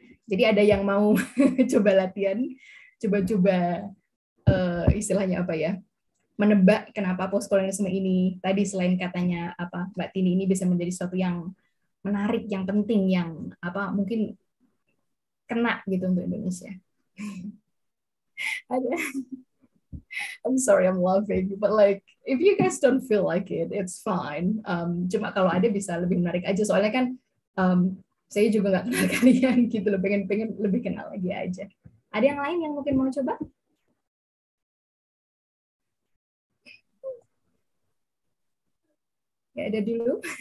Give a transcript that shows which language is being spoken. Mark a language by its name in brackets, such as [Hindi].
[Indonesian] Jadi ada yang mau coba latihan, coba-coba istilahnya apa ya, menebak kenapa postkolonialisme ini tadi selain katanya apa Mbak Tini ini bisa menjadi sesuatu yang menarik, yang penting, yang apa mungkin kena gitu untuk Indonesia. [English] I'm sorry, I'm laughing, but like if you guys don't feel like it, it's fine. [Indonesian] Cuma kalau ada bisa lebih menarik aja, soalnya kan. Saya juga nggak kenal kalian gitu loh, pengen lebih kenal lagi aja. Ada yang lain yang mungkin mau coba? Ya ada dulu.